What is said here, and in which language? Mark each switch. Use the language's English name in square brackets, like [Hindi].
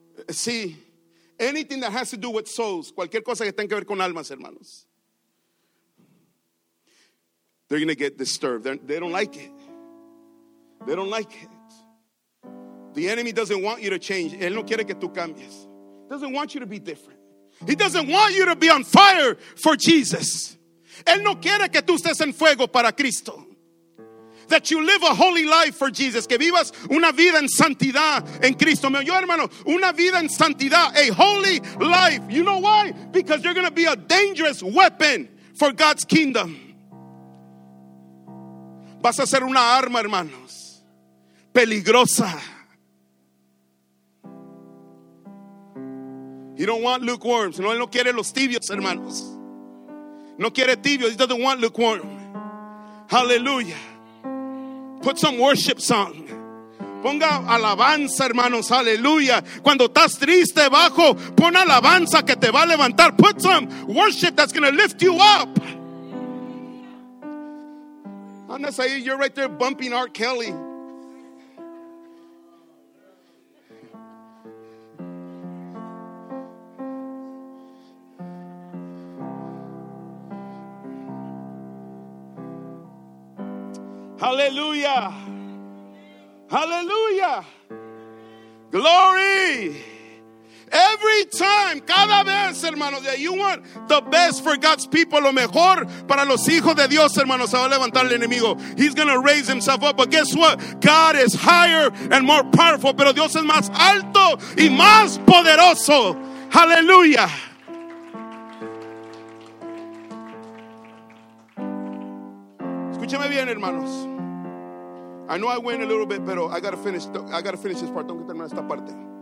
[English] See, anything that has to do with souls, [Spanish] cualquier cosa que tenga que ver con almas, hermanos, [English] they're going to get disturbed. They don't like it. They don't like it. The enemy doesn't want you to change. [Spanish] Él no quiere que tú cambies. [English] He doesn't want you to be different. He doesn't want you to be on fire for Jesus. [Spanish] Él no quiere que tú estés en fuego para Cristo. [English] That you live a holy life for Jesus. [Spanish] Que vivas una vida en santidad en Cristo. Me oyó, hermano, una vida en santidad. [English] A holy life. You know why? Because you're going to be a dangerous weapon for God's kingdom. [Spanish] Vas a ser una arma, hermanos, peligrosa. [English] He don't want lukewarms. [Spanish] No, él no quiere los tibios, hermanos. No quiere tibios. [English] He doesn't want lukewarm. Hallelujah. Put some worship song. [Spanish] Ponga alabanza, hermanos. Aleluya. Cuando estás triste, bajo, pon alabanza que te va a levantar. [English] Put some worship that's going to lift you up. [Spanish] Andas ahí, [English] you're right there bumping R. Kelly. [Spanish] Aleluya. Aleluya. [English] Glory. Every time, [Spanish] cada vez, hermanos, [English] that you want the best for God's people, [Spanish] lo mejor para los hijos de Dios, hermanos, se va a levantar el enemigo. [English] He's going to raise himself up. But guess what? God is higher and more powerful. [Spanish] Pero Dios es más alto y más poderoso. [English] Hallelujah. [Spanish] Escúcheme bien, hermanos. [English] I know I went a little bit, pero I got to finish this part. [Spanish] Tengo que terminar esta parte.